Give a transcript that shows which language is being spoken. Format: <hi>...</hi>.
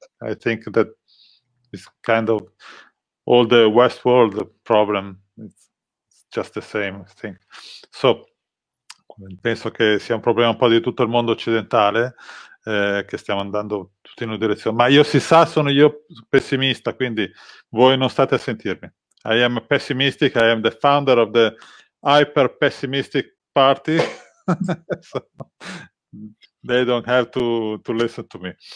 <en>I think that it's kind of all the West world problem. It's just the same, I think.</en> <it>So, penso che sia un problema un po' di tutto il mondo occidentale, che stiamo andando tutti in una direzione. Ma io, si sa, sono io pessimista, quindi voi non state a sentirmi.</it> <en>I am pessimistic, I am the founder of the hyper pessimistic party. So, they don't have to listen to me.</en>